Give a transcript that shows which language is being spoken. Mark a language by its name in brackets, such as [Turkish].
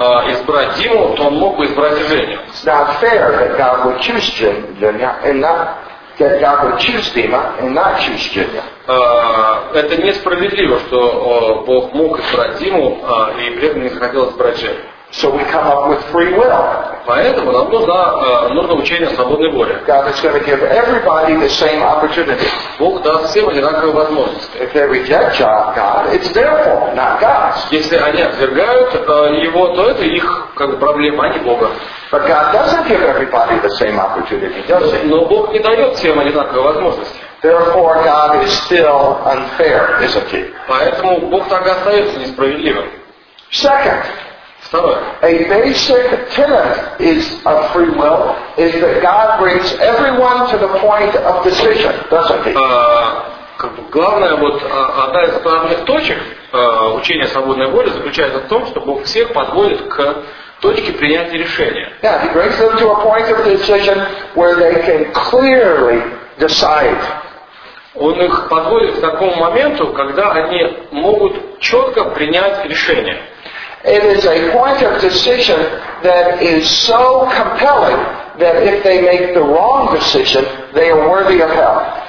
[Russian] Избрать Диму, то он мог бы избрать Женю. [English] It's not fair that God would choose Jim and not that God would choose Dima and not choose Junior. [Russian] Это несправедливо, что Бог мог избрать Диму, и при этом не хотел избрать Женю. [English] So we come up with free will. [Russian] Поэтому нам нужно учение о свободной воле. [English] God is going to give everybody the same opportunity. [Russian] Бог даст всем одинаковые возможности. [English] If they reject God, it's their fault, not God's. [Russian] Если они отвергают его, то это их как бы проблема, а не Бога. [English] But God doesn't give everybody the same opportunity, does he? [Russian] Но Бог не дает всем одинаковые возможности. [English] Therefore, God is still unfair, isn't he? [Russian] Поэтому Бог так и остается несправедливым. [English] Second. A basic tenet is of free will is that God brings everyone to the point of decision, doesn't he? [Russian] Как бы главное вот одна из главных точек учения свободной воли заключается в том, что Бог всех подводит к точке принятия решения. [English] Yeah, he brings them to a point of decision where they can clearly decide. [Russian] Он их подводит к такому моменту, когда они могут четко принять решение. [English] It is a point of decision that is so compelling that if they make the wrong decision, they are worthy of hell.